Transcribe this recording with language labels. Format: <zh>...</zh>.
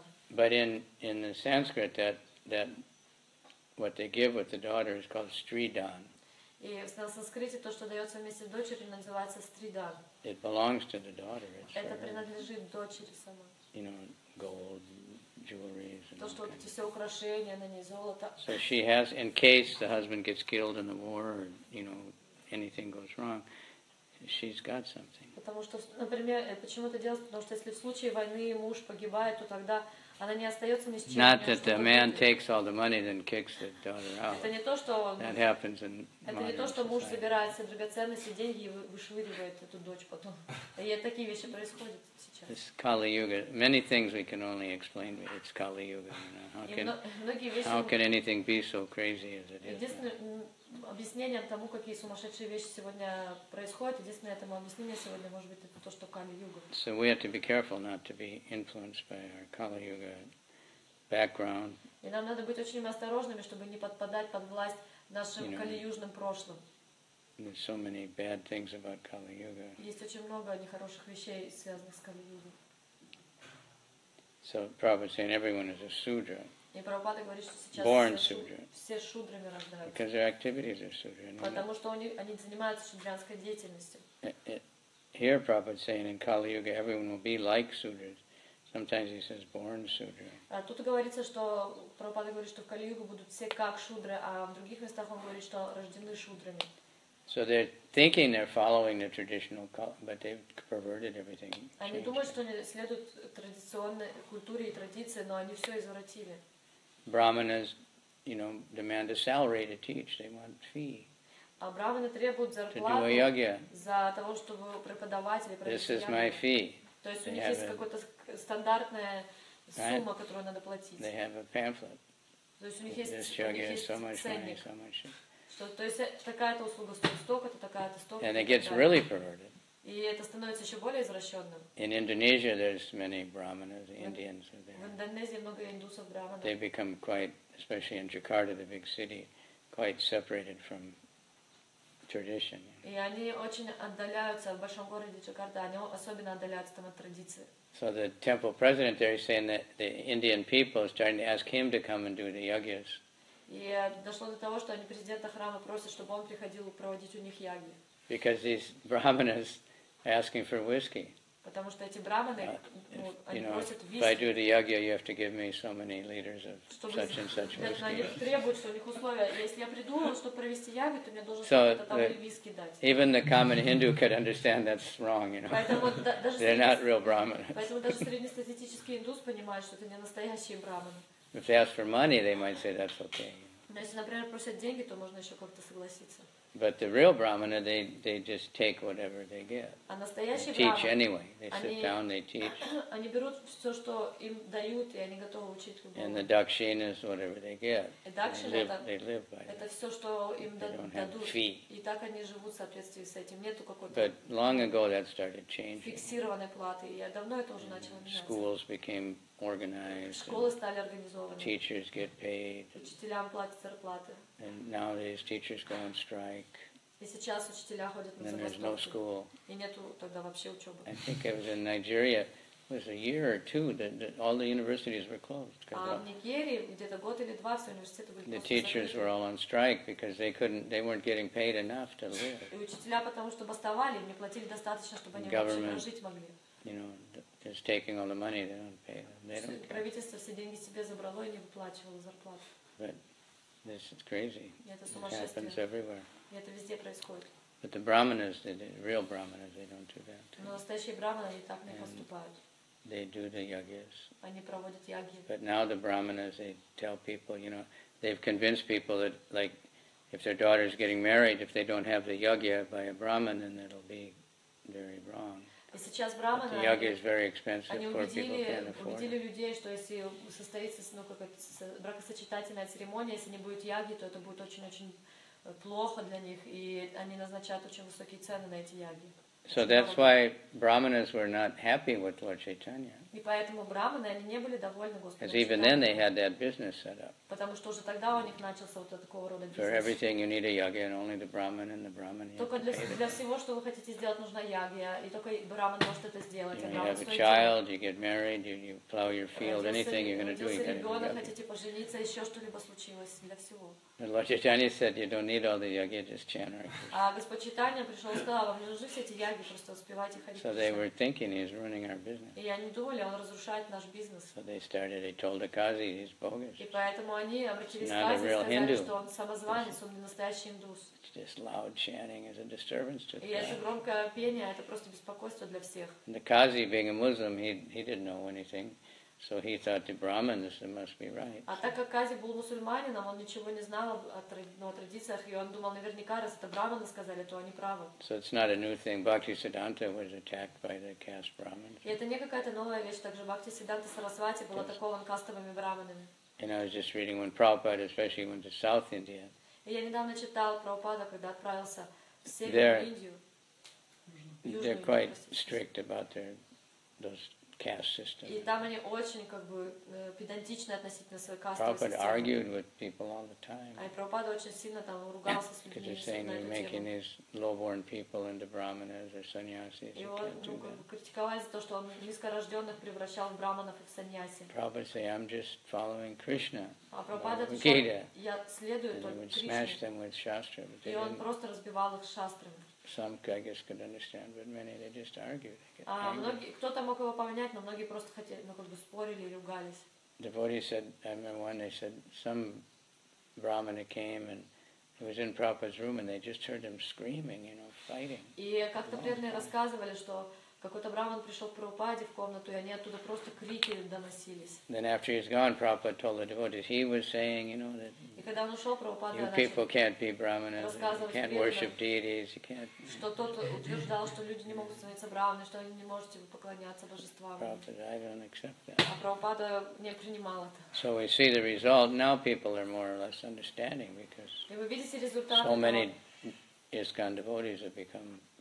<en>But in the Sanskrit, that what they give with the daughter is called stridan.</en> <ru>И в санскрите то, что дается вместе с дочерью, называется стридан.</ru> <en>It belongs to the daughter.</en> <ru>Это принадлежит дочери сама.</ru> <en>You know, gold, jewelry.</en> <ru>То, что вот эти все украшения на ней, золото.</ru> <en>So she has, in case the husband gets killed in the war, or, you know, anything goes wrong, she's got something.</en> <ru>Потому что, например, почему это делается? Потому что если в случае войны муж погибает, то тогда она не остается ни с чем.</ru> <en>Not that the man takes all the money then kicks the daughter out.</en> <ru>Это не то, что.</ru> <en>That happens in</en> <ru>Это не то, что муж забирает все драгоценности, деньги и вышвыривает эту дочь потом. И такие вещи происходят сейчас.</ru> <en>This Kali Yuga. Many things we can only explain. It's Kali Yuga. You know? How can anything be so crazy as it is?</en> <ru>Объяснением тому, какие сумасшедшие вещи сегодня происходят, единственное этому объяснение сегодня может быть это то, что Кали-Юга.</ru> <en>So we have to be careful not to be influenced by our Kali-Yuga background.</en> <ru>И нам надо быть очень осторожными, чтобы не подпадать под власть нашим Кали-Южным прошлым.</ru> <en>There's so many bad things about Kali-Yuga.</en> <ru>Есть очень много нехороших вещей, связанных с Кали-Югой.</ru> <en>So Prabhupada saying everyone is a sudra.</en> <ru>И Прабхупада говорит, что сейчас</ru> <en>born</en> <ru>все шудрами рождаются.</ru> <en>Because their activities are sudra,</en> <ru>потому что они занимаются шудрянской деятельностью.</ru> <en>Here Prabhupada saying in Kali Yuga everyone will be like sudras. Sometimes he says born sudra.</en> <ru>А тут говорится, что Прабхупада говорит, что в Кали Югу будут все как шудры, а в других местах он говорит, что рождены шудрами.</ru> <en>So they're thinking they're following the traditional culture, but they've perverted everything.</en> <ru>Они думают, что они следуют традиционной культуре и традиции, но они все извратили.</ru> <en>Brahmanas, you know, demand a salary to teach. They want fee.</en> <ru>А брахманы требуют зарплату за того, чтобы преподавать или</ru> <en>This is my fee.</en> <ru>То есть у них есть какая-то стандартная сумма, которую надо платить.</ru> <en>They have a pamphlet.</en> <ru>То есть у них есть ценник. То есть такая-то услуга стоит столько-то, такая-то столько-то.</ru> <en>And it gets really perverted.</en> <ru>И это становится еще более извращенным.</ru> <en>In Indonesia, there's many brahmanas, Indians are there.</en> <ru>В Индонезии много индусов брахманов.</ru> <en>They become quite, especially in Jakarta, the big city, quite separated from tradition.</en> <ru>И они очень отдаляются в большом городе Джакарта. Они особенно отдаляются там от традиции.</ru> <en>So the temple president there is saying that the Indian people are starting to ask him to come and do the yagyas.</en> <ru>И дошло до того, что они президента храма просят, чтобы он приходил проводить у них яги.</ru> <en>Because these brahmanas asking for whiskey.</en> <ru>Потому что эти брахманы, они просят виски.</ru> <en>If I do the yagya, you have to give me so many liters of such and such whiskey.</en> <ru>Они требуют, что у них условия. Если я приду, чтобы провести яги, то мне должен что-то там виски дать.</ru> <en>Even the common Hindu could understand that's wrong, you know.</en> <ru>Поэтому даже</ru> <en>they're not real brahmanas.</en> <ru>Поэтому даже среднестатистический индус понимает, что это не настоящие брахманы.</ru> <en>If they ask for money, they might say that's okay.</en> <ru>Но если, например, просят деньги, то можно еще как-то согласиться.</ru> <en>But the real brahmana, they just take whatever they get.</en> <ru>А настоящие</ru> <en>брахманы teach anyway. They sit down, they teach.</en> <ru>Они берут все, что им дают, и они готовы учить любого.</ru> <en>And the dakshina is whatever they get.</en> <ru>И дакшина это.</ru> <en>They live by.</en> <ru>Это все, что им дадут. И так они живут в соответствии с этим. Нету какой-то.</ru> <en>But long ago that started changing.</en> <ru>Фиксированной платы. Я давно это уже начала менять.</ru> <en>Schools became organized.</en> <ru>Школы стали организованы.</ru> <en>Teachers get paid.</en> <ru>Учителям платят зарплаты.</ru> <en>And nowadays teachers go on strike.</en> <ru>И сейчас учителя ходят на забастовки.</ru> <en>And there's no school.</en> <ru>И нету тогда вообще учебы.</ru> <en>I think it was in Nigeria. It was a year or two that all the universities were closed.</en> <ru>А в Нигерии где-то год или два все университеты были.</ru> <en>The teachers were all on strike because they weren't getting paid enough to live.</en> <ru>И учителя потому что бастовали, не платили достаточно, чтобы они вообще жить могли.</ru> <en>You know, just taking all the money, they don't pay them. They don't care.</en> <ru>Правительство все деньги себе забрало и не выплачивало зарплату.</ru> <en>But this is crazy. It happens everywhere.</en> <ru>И это везде происходит.</ru> <en>But the brahmanas, the real brahmanas, they don't do that.</en> <ru>Но настоящие брахманы они так не поступают.</ru> <en>They do the yagyas.</en> <ru>Они проводят яги.</ru> <en>But now the brahmanas, they tell people, you know, they've convinced people that, like, if their daughter is getting married, if they don't have the yagya by a brahman, then it'll be very wrong.</en> <ru>И сейчас брахманы,</ru> <en>the yagya is very expensive.</en> <ru>Они убедили людей, что если состоится бракосочетательная церемония, если не будет яги, то это будет очень-очень плохо для них, и они назначают очень высокие цены на эти яги.</ru> <en>So that's why brahmanas were not happy with Lord Chaitanya.</en> <ru>И поэтому брахманы они не были довольны Господом.</ru> <en>Because even then they had that business set up.</en> <ru>Потому что уже тогда у них начался вот такого рода бизнес.</ru> <en>For everything you need a yagya and only the brahman and the brahman.</en> <ru>Только для всего, что вы хотите сделать, нужна ягья, и только брахман может это сделать.</ru> <en>You have a child, you get married, you plow your field, anything you're going to do, you have a yagya.</en> <ru>Хотите пожениться, еще что-либо случилось для всего.</ru> <en>And Lord Chaitanya said, "You don't need all the yagya, just chant."</en> <ru>А Господь Читания пришел и сказал, вам не нужны все эти яги, просто успевайте ходить.</ru> <en>So they were thinking he's ruining our business.</en> <ru>И они думали, он разрушает наш бизнес.</ru> <en>So they started, they told the Kazi, he's bogus.</en> <ru>И поэтому они обратились к Кази и сказали, что он самозванец, он не настоящий индус.</ru> <en>It's just loud chanting is a disturbance to the</en> <ru>И если громкое пение, это просто беспокойство для всех.</ru> <en>And the Kazi, being a Muslim, he didn't know anything. So he thought the Brahmins must be right.</en> <ru>А так как Кази был мусульманином, он ничего не знал о традициях, и он думал, наверняка, раз это Брахманы сказали, то они правы.</ru> <en>So it's not a new thing. Bhakti Siddhanta was attacked by the caste Brahmins.</en> <ru>И это не какая-то новая вещь, также Бхакти Сиддханта Сарасвати был атакован кастовыми Брахманами.</ru> <en>And I was just reading when Prabhupada, especially went to South India.</en> <ru>И я недавно читал Прабхупада, когда отправился в Северную Индию.</ru> <en>They're quite strict about those. Caste system.</en> <ru>И там они очень как бы педантичны относительно своей кастовой системы.</ru> <en>Prabhupada argued with people all the time.</en> <ru>И Прабхупада очень сильно там ругался с людьми.</ru> <en>they're saying they're making these low-born people into brahmanas or sannyasis.</en> <ru>И он критиковал за то, что он низкорожденных превращал в брахманов и в санньяси.</ru> <en>Prabhupada said, "I'm just following Krishna."</en> <ru>А Прабхупада сказал, "Я следую только Кришне."</ru> <en>And he smashed them with shastra.</en> <ru>И он просто разбивал их шастрами.</ru> <en>Some, I guess, could understand, but many they just argued.</en> <ru>Кто-то мог его поменять, но многие просто хотели, ну как бы спорили и ругались.</ru> <en>Devotees said, I remember one. They said some brahmana came and he was in Prabhupada's room and they just heard him screaming, you know, fighting.</en> <ru>И как-то преданные рассказывали, что какой-то брахман пришел к Прабхупаде в комнату, и они оттуда просто крики доносились.</ru> <en>Then after he's gone, Prabhupada told the devotees, he was saying, you know, that you people can't be brahmanas, you can't worship deities, you can't...</en> <ru>Что тот утверждал, что люди не могут становиться брахманами, что они не могут поклоняться божествам.</ru> <en>Prabhupada, I don't accept that.</en> <ru>А Прабхупада не принимал это.</ru> <en>So we see the result, now people are more or less understanding, because so many ISKCON devotees have become...</en>